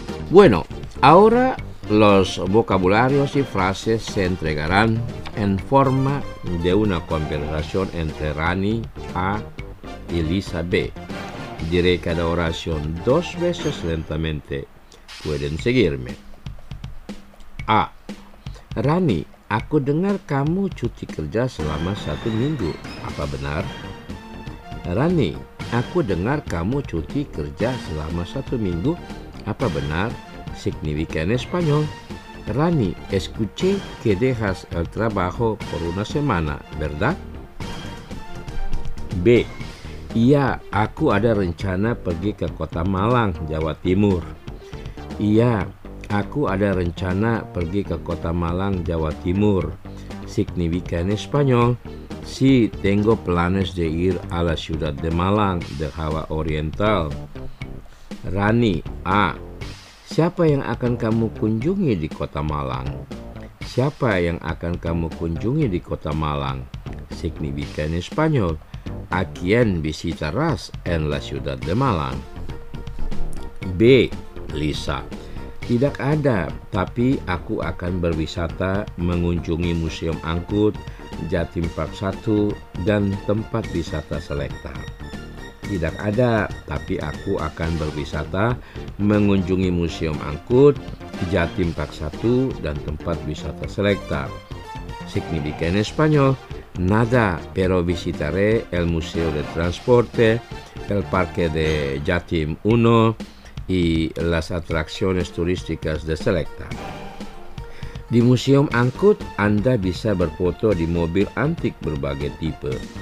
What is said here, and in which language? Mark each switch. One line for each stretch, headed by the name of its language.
Spanish: Bueno, ahora los vocabularios y frases se entregarán en forma de una conversación entre Rani A y Lisa B. Diré cada oración dos veces lentamente. Pueden seguirme. A.
Indonesian: Rani, aku dengar kamu cuti kerja selama satu minggu. Apa benar? Rani, aku dengar kamu cuti kerja selama satu minggu. Apa benar?
Spanish: Significa en español. Rani, escuché que dejas el trabajo por una semana, ¿verdad? B.
Indonesian: Iya, aku ada rencana pergi ke kota Malang, Jawa Timur. Iya, aku ada rencana pergi ke kota Malang, Jawa Timur.
Spanish: Significa en español. Sí, tengo planes de ir a la ciudad de Malang, de Jawa Oriental. Rani, A.
Indonesian: Siapa yang akan kamu kunjungi di kota Malang? Siapa yang akan kamu kunjungi di kota Malang?
Spanish: Significa en español. A quien visitarás en la ciudad de Malang? B. Lisa.
Indonesian: Tidak ada, tapi aku akan berwisata mengunjungi Museum Angkut, Jatim Park 1, dan tempat wisata selekta. Tidak ada, tapi aku akan berwisata mengunjungi Museum Angkut, Jatim Park 1, dan tempat wisata selekta.
Spanish: significa en español nada, pero visitaré el Museo de Transporte, el Parque de Yatim 1 y las atracciones turísticas de Selecta.
Indonesian: Di Museum Angkut, Anda bisa berfoto di mobil antik berbagai tipe.